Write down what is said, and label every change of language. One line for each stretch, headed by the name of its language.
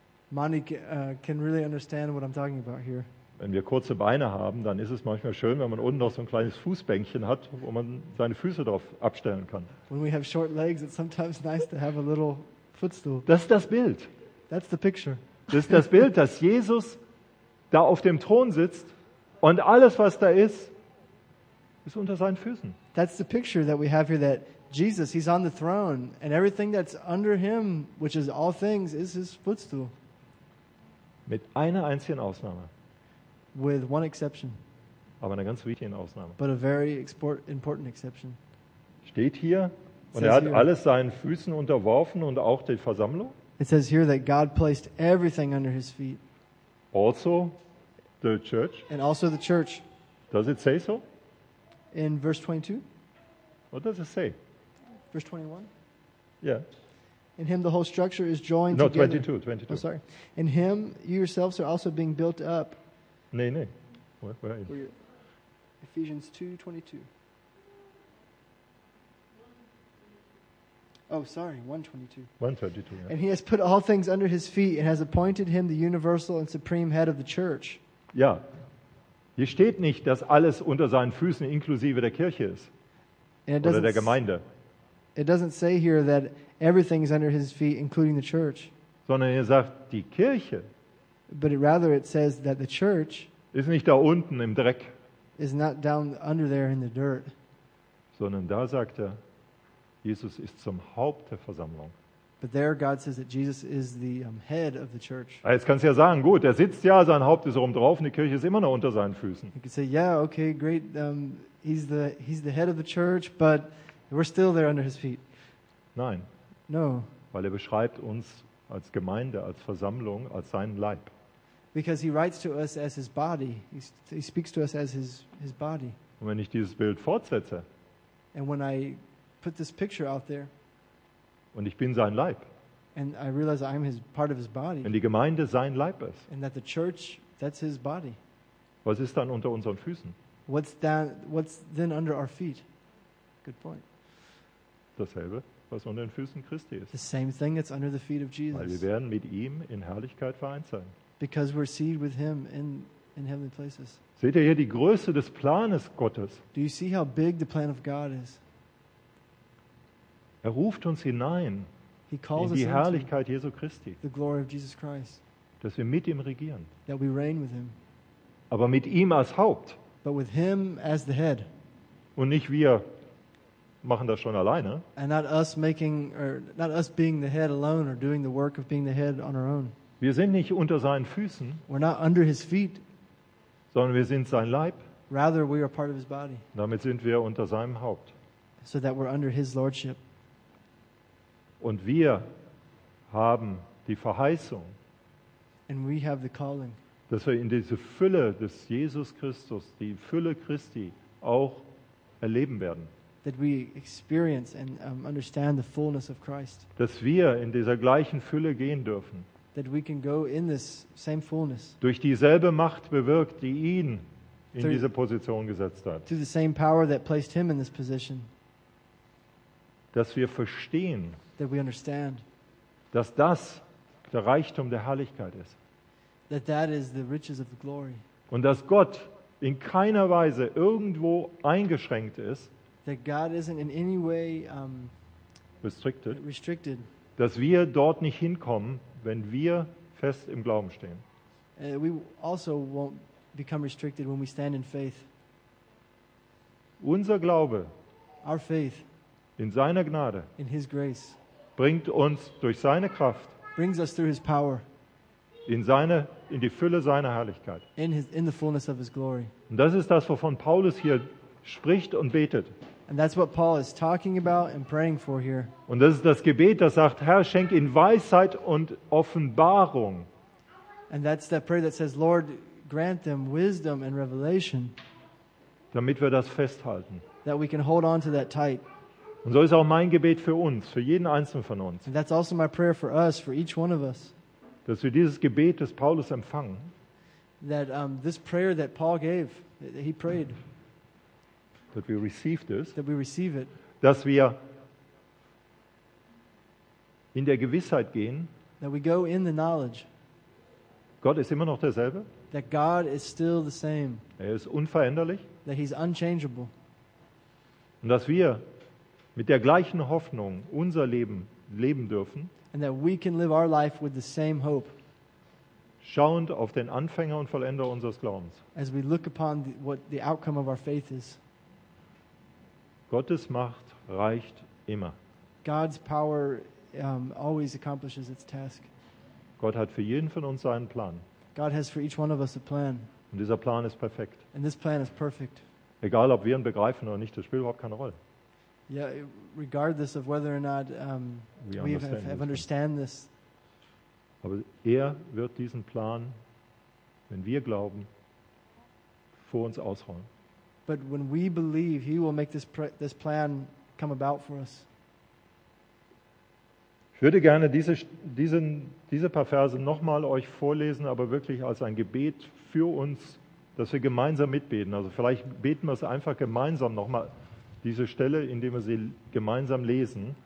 English: Moni can really understand what I'm talking about here.
German: Wenn wir kurze Beine haben, dann ist es manchmal schön, wenn man unten noch so ein kleines Fußbänkchen hat, wo man seine Füße drauf abstellen kann.
English: When we have short legs, it's sometimes nice to have a little footstool.
German: Das ist das Bild.
English: That's the picture.
German: Das ist das Bild, dass Jesus da auf dem Thron sitzt und alles, was da ist, ist unter seinen Füßen.
English: That's the picture that we have here, that Jesus, he's on the throne and everything that's under him, which is all things, is his footstool.
German: Mit einer einzigen Ausnahme.
English: With one exception.
German: Aber eine ganz wichtige Ausnahme.
English: But a very important exception.
German: Steht hier, und er hat alles seinen Füßen unterworfen und auch die Versammlung.
English: It says here that God placed everything under his feet. Also the church. And also the church. Does it say so? In verse 22. What does it say? Verse 21. Yeah. In him the whole structure is joined no, together. No, 22. Oh, sorry. In him you yourselves are also being built up.
German: Nee, nee.
English: Where are you? Ephesians 2:22. Oh, sorry, 1:22. 1:22, yeah. And he has put all things under his feet and has appointed him the universal and supreme head of the church.
German: Ja. Hier steht nicht, dass alles unter seinen Füßen inklusive der Kirche ist. Oder der Gemeinde.
English: It doesn't say here that everything is under his feet including the church.
German: Sondern er sagt, die Kirche.
English: But rather it says that the church
German: ist nicht da unten im Dreck,
English: is not down under there in the dirt,
German: sondern da sagt er, Jesus ist zum Haupt der Versammlung.
English: But there God says that Jesus is the head of the church.
German: Jetzt kannst du ja sagen, gut, er sitzt ja, sein Haupt ist oben drauf und die Kirche ist immer noch unter seinen Füßen.
English: You could say, yeah, okay, great, he's the head of the church, but we're still there under his feet.
German: Nein.
English: No.
German: Weil er beschreibt uns als Gemeinde, als Versammlung, als seinen Leib.
English: Because he writes to us as his body. He speaks to us as his body.
German: Und wenn ich dieses Bild fortsetze,
English: and when I put this picture out there,
German: und ich bin sein Leib,
English: and I realize I'm part of his body,
German: und die Gemeinde sein Leib ist,
English: and that the church, that's his body,
German: Was ist dann unter unseren Füßen?
English: What's then under our feet? Good point.
German: Dasselbe, was unter den Füßen Christi ist.
English: The same thing that's under the feet of Jesus.
German: Weil wir werden mit ihm in Herrlichkeit vereint sein.
English: Because we're seated with him in heavenly places.
German: Seht ihr hier die Größe des Planes Gottes?
English: Do you see how big the plan of God is?
German: Er ruft uns hinein in die Herrlichkeit Jesu Christi.
English: The glory of Jesus Christ.
German: Dass wir mit ihm regieren.
English: That we reign with him.
German: Aber mit ihm als Haupt.
English: But with him as the head.
German: Und nicht wir machen das schon alleine.
English: And not us making or not us being the head alone or doing the work of being the head on our own.
German: Wir sind nicht unter seinen Füßen.
English: We're not under his feet.
German: Sondern wir sind sein Leib.
English: Rather we are part of his body.
German: Damit sind wir unter seinem Haupt.
English: So that we're under his lordship.
German: Und wir haben die Verheißung.
English: And we have the calling.
German: Dass wir in diese Fülle des Jesus Christus, die Fülle Christi, auch erleben werden.
English: That we experience and understand the fullness of Christ.
German: Dass wir in dieser gleichen Fülle gehen dürfen.
English: That we can go in this same fullness.
German: Durch dieselbe Macht bewirkt, die ihn in diese Position gesetzt hat.
English: Through the same power that placed him in this position.
German: Dass wir verstehen,
English: that we understand.
German: Dass das der Reichtum der Herrlichkeit ist.
English: That that is the riches of the glory.
German: Und dass Gott in keiner Weise irgendwo eingeschränkt ist.
English: That God isn't in any way restricted.
German: Dass wir dort nicht hinkommen, wenn wir fest im Glauben stehen.
English: We also won't become restricted when we stand in faith.
German: Unser Glaube,
English: our faith,
German: in seiner Gnade,
English: in his grace,
German: bringt uns durch seine Kraft,
English: brings us through his power,
German: in die Fülle seiner Herrlichkeit.
English: In the fullness of his glory.
German: Und das ist das, wovon Paulus hier spricht und betet.
English: And that's what Paul is talking about and praying for here.
German: Und das ist das Gebet, das sagt: Herr, schenk in Weisheit und Offenbarung.
English: And that's the prayer that says, Lord, grant them wisdom and revelation.
German: Damit wir das festhalten.
English: That we can hold on to that tight.
German: Und so ist auch mein Gebet für uns, für jeden einzelnen von uns.
English: And that's also my prayer for us, for each one of us.
German: Dass wir dieses Gebet des Paulus empfangen.
English: That this prayer that Paul gave, that he prayed. That we receive this. That we receive it.
German: Dass wir in der Gewissheit gehen.
English: That we go in the knowledge.
German: Gott ist immer noch derselbe.
English: That God is still the same.
German: Er ist unveränderlich.
English: That he's unchangeable.
German: Und dass wir mit der gleichen Hoffnung unser Leben leben dürfen.
English: And that we can live our life with the same hope.
German: Schauend auf den Anfänger und Vollender unseres Glaubens.
English: As we look upon what the outcome of our faith is.
German: Gottes Macht reicht immer.
English: God's power always accomplishes its task.
German: Gott hat für jeden von uns seinen Plan.
English: God has for each one of us a plan.
German: Und dieser Plan ist perfekt.
English: And this plan is perfect.
German: Egal, ob wir ihn begreifen oder nicht, das spielt überhaupt keine Rolle.
English: Yeah, regardless of whether or not we have understand this.
German: Aber er wird diesen Plan, wenn wir glauben, vor uns ausrollen.
English: But when we believe, he will make this plan come about for us.
German: Ich würde gerne diese paar Verse nochmal euch vorlesen, aber wirklich als ein Gebet für uns, dass wir gemeinsam mitbeten. Also vielleicht beten wir es einfach gemeinsam nochmal, diese Stelle, indem wir sie gemeinsam lesen.